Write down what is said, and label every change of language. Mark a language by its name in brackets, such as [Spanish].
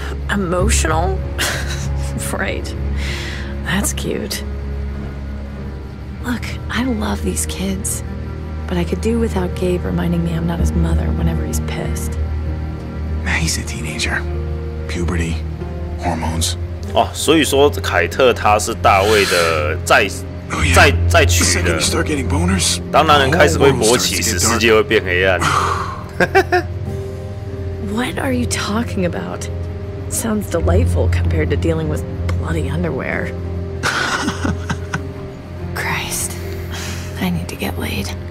[English] Emotional? Right. That's cute. Look, I love these kids, but I could do without Gabe reminding me I'm not his mother whenever he's pissed. Nah, he's a teenager. Puberty, hormones. [Chinese] 哦，所以说凯特他是大卫的再娶的，当男人开始会勃起时，世界会变黑暗。 [English] What are you talking about? Sounds delightful compared to dealing with bloody underwear. Christ, I need to get laid.